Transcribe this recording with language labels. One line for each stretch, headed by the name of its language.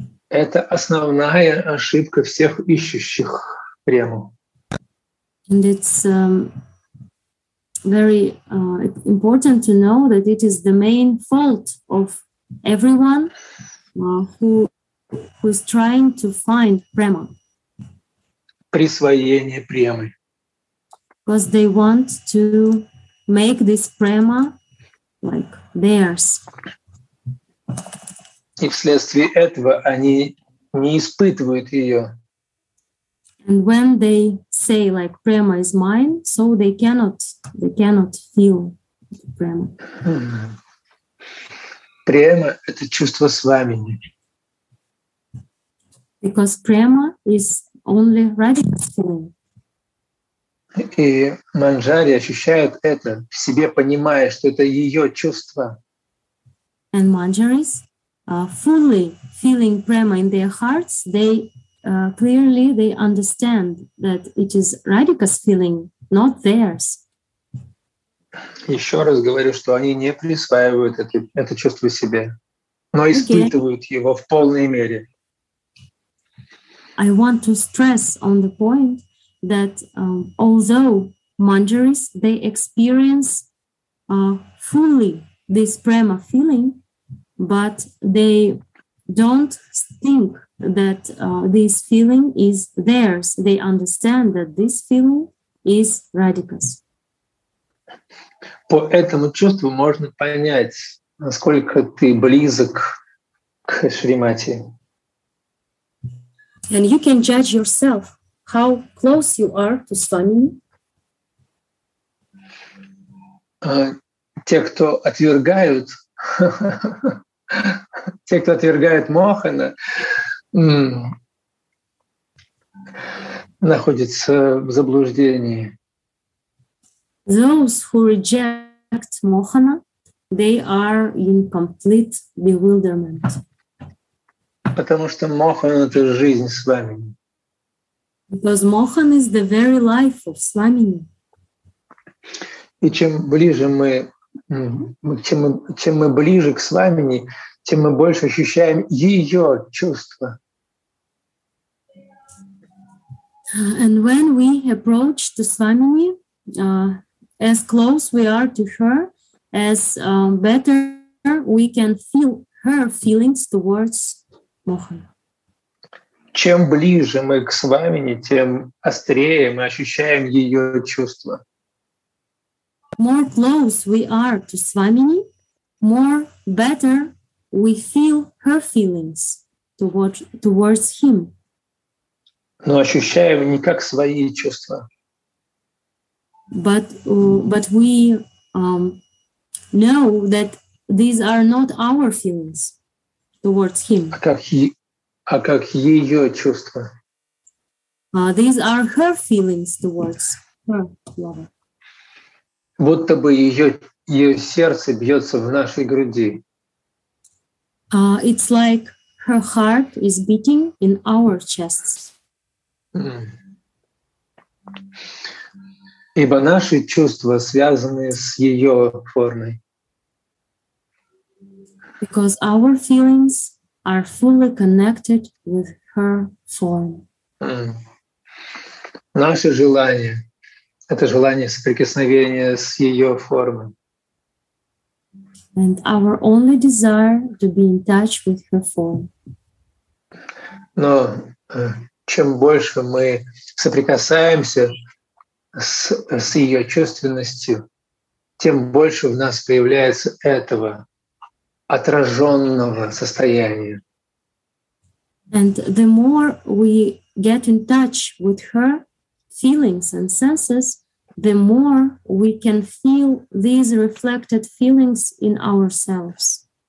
Russian: Это основная ошибка всех ищущих прему.
English: And it's very important to know that it is the main fault of everyone who is trying to find prema.
Russian: Присвоение премы.
English: Because they want to make this prema like theirs.
Russian: И вследствие этого они не испытывают ее.
English: And when they say like prema is mine, so they cannot feel prema.
Russian: Према — это чувство свамини.
English: Because prema is only Radha's feeling.
Russian: И Манджари ощущает это в себе, понимая, что это ее чувство.
English: And Manjaris, fully feeling prema in their hearts, they clearly they understand that it is Radhika's feeling, not theirs.
Russian: Еще раз говорю, что они не присваивают это чувство себе, но испытывают его в полной мере.
English: I want to stress on the point that although Manjaris, they experience fully this prema feeling, but they don't think that this feeling is theirs. They understand that this feeling is Radhika's.
Russian: По этому чувству можно понять, насколько ты близок к Шримати.
English: And you can judge yourself how close you are to Swamini.
Russian: Те, кто отвергают те, кто отвергает Мохана, находятся в заблуждении.
English: Those who reject Mohana, they are in complete bewilderment.
Russian: Потому что Мохан — это жизнь Свамини.
English: Because Mohan is the very life of Swamini.
Russian: И чем мы ближе к Свамини, тем мы больше ощущаем ее чувства.
English: And when we approach the Swamini, as close we are to her, as better we can feel her feelings towards Mohana.
Russian: Чем ближе мы к Свамини, тем острее мы ощущаем ее чувства.
English: More close we are to Swamini, more better we feel her feelings towards him.
Russian: Но ощущаем не как свои чувства.
English: But we know that these are not our feelings towards him.
Russian: А как ее чувства.
English: These are her feelings towards her lover.
Russian: Будто бы ее сердце бьется в нашей груди.
English: It's like her heart is beating in our chests.
Russian: Ибо наши чувства связаны с ее формой.
English: Because our feelings are fully connected with her form.
Russian: Наше желание — это желание соприкосновения с ее формой.
English: And our only desire to be in touch with her form.
Russian: Но чем больше мы соприкасаемся с ее чувственностью, тем больше в нас появляется этого отраженного состояния.
English: And the more we get in touch with her feelings and senses, the more we can feel these reflected feelings in ourselves.